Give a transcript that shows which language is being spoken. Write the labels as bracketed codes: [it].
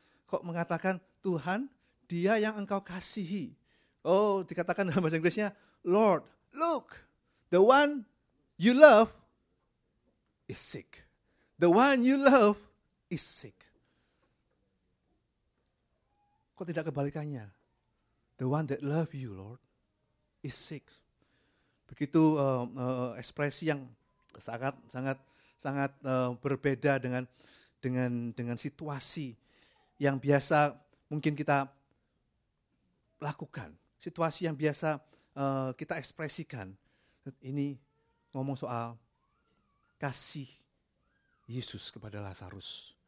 [id] Kok mengatakan, Tuhan, dia yang Engkau kasihi. [en] Oh, [id] dikatakan dalam bahasa Inggrisnya, [en] Lord, look, the one you love is sick. The one you love is sick. [id] Kok tidak kebalikannya? [en] The one that love you, Lord, is sick. [id] Begitu ekspresi yang sangat berbeda dengan situasi yang biasa mungkin kita lakukan. Situasi yang biasa kita ekspresikan. Ini ngomong soal kasih Yesus kepada Lazarus.